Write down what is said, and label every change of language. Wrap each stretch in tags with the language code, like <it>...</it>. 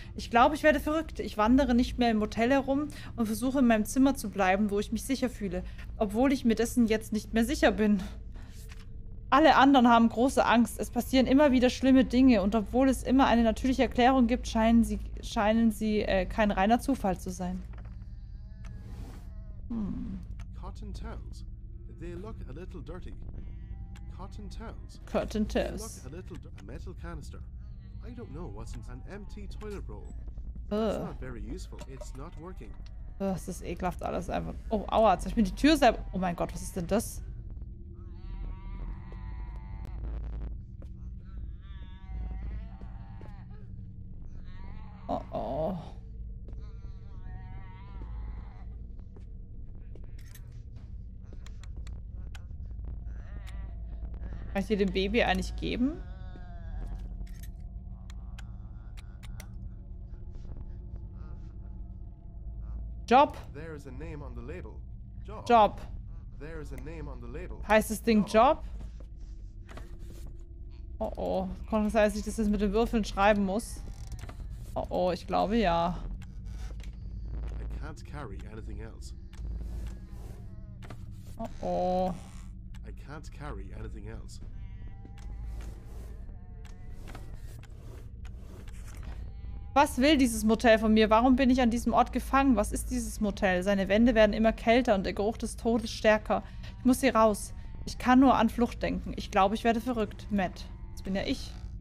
<de>Ich glaube, ich werde verrückt. Ich wandere nicht mehr im Hotel herum und versuche in meinem Zimmer zu bleiben, wo ich mich sicher fühle. Obwohl ich mir dessen jetzt nicht mehr sicher bin. Alle anderen haben große Angst. Es passieren immer wieder schlimme Dinge. Und obwohl es immer eine natürliche Erklärung gibt, scheinen sie kein reiner Zufall zu sein.</de> <en>Cotton Towels. They look a little dirty. Cotton Towels. Cotton Towels. A metal canister. I don't know what's in an empty toilet roll. It's not very useful. It's not working.</en> <de>Das ist ekelhaft alles einfach. Oh, aua, jetzt habe ich mir die Tür selber. Oh mein Gott, was ist denn das? Oh oh. Kann ich dir dem Baby eigentlich geben?</de> <en>Job. There is a name on the label. Job. Job. There is a name on the label.</en> <de>Heißt das Ding Job? Oh oh. Kann das heißen, dass ich das mit den Würfeln schreiben muss? Oh oh, ich glaube ja.</de> <en>I can't carry anything else. Oh oh. I can't carry anything else.</en> <de>Was will dieses Motel von mir? Warum bin ich an diesem Ort gefangen? Was ist dieses Motel? Seine Wände werden immer kälter und der Geruch des Todes stärker. Ich muss hier raus. Ich kann nur an Flucht denken. Ich glaube, ich werde verrückt. Matt. Das bin ja ich.</de>